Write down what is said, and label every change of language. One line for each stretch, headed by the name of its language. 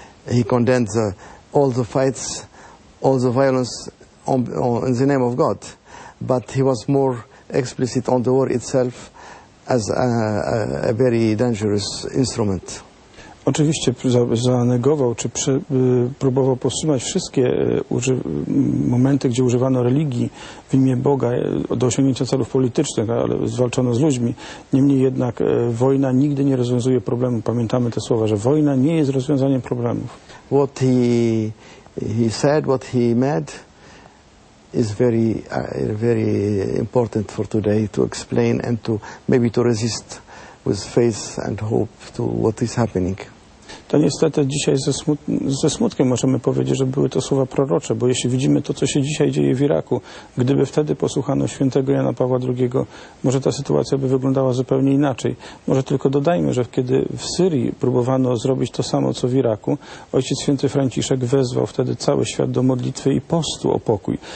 English: he condemned all the fights, all the violence in the name of God. But he was more explicit on the war itself as a very dangerous instrument.
Polish: Oczywiście zanegował, czy próbował powstrzymać wszystkie momenty, gdzie używano religii w imię Boga do osiągnięcia celów politycznych, ale zwalczono z ludźmi. Niemniej jednak wojna nigdy nie rozwiązuje problemu. Pamiętamy te słowa, że wojna nie jest rozwiązaniem problemów.
English: What he said, what he meant is very, very important for today to explain and to maybe to resist with faith and hope to what is happening.
Polish: To niestety dzisiaj ze smutkiem możemy powiedzieć, że były to słowa prorocze, bo jeśli widzimy to, co się dzisiaj dzieje w Iraku, gdyby wtedy posłuchano świętego Jana Pawła II, może ta sytuacja by wyglądała zupełnie inaczej. Może tylko dodajmy, że kiedy w Syrii próbowano zrobić to samo, co w Iraku, ojciec święty Franciszek wezwał wtedy cały świat do modlitwy i postu o pokój.